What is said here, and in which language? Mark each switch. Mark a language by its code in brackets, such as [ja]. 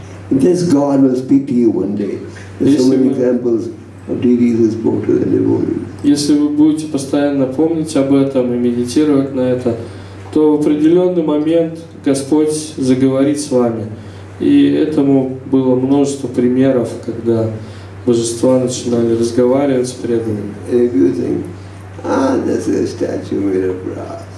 [en] This God will speak to you one day. There's so many examples of deities who spoke to the devotees. [ru] Если вы будете постоянно помнить об этом и медитировать на это, то в определенный момент Господь заговорит с вами. И этому было множество примеров, когда божества начинали разговаривать с преданными. [en] If you think, this is a statue made of brass.